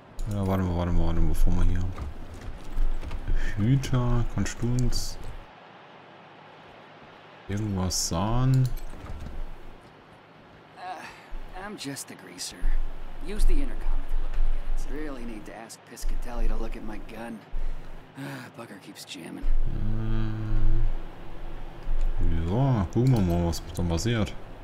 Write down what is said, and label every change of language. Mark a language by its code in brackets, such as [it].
[de] Ja, warte mal, bevor wir hier... Hüter, kannst du uns irgendwas sagen? [en] I'm just a greaser. Use the intercom if you're looking at it. Really need to ask Piscatelli to look at my gun. Bugger keeps jamming. [de] Ja, gucken wir mal, was da passiert.